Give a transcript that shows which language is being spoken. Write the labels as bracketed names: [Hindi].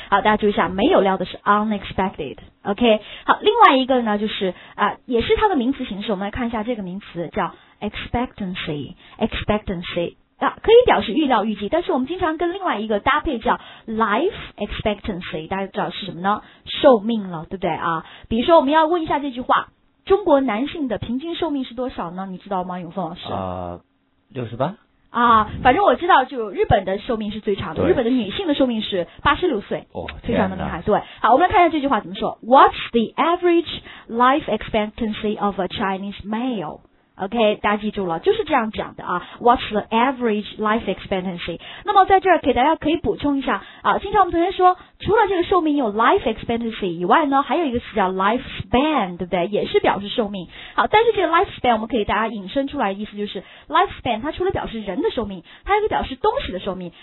[Chinese] 好，大家注意一下，没有料的是 unexpected, OK? 好，另外一个呢就是也是它的名词形式，我们来看一下这个名词叫 expectancy, 啊，可以表示预料预计，但是我们经常跟另外一个搭配叫 life expectancy, 大家知道是什么呢？寿命了，对不对啊？比如说我们要问一下这句话，中国男性的平均寿命是多少呢？你知道吗，永凤老师？ 68。啊，反正我知道，就日本的寿命是最长的，日本的女性的寿命是86岁，哦，非常的厉害。对，好，我们来看一下这句话怎么说 [English] ：What's the average life expectancy of a Chinese male？ [Chinese] OK, 大家记住了，就是这样讲的啊。 [English] What's the average life expectancy? [Chinese] 那么在这儿给大家可以补充一下啊，经常我们同学说除了这个寿命有 life expectancy 以外呢，还有一个词叫 lifespan, 对不对？也是表示寿命。好，但是这个 lifespan 我们可以大家引申出来的意思就是 lifespan 它除了表示人的寿命，它还可以表示东西的寿命。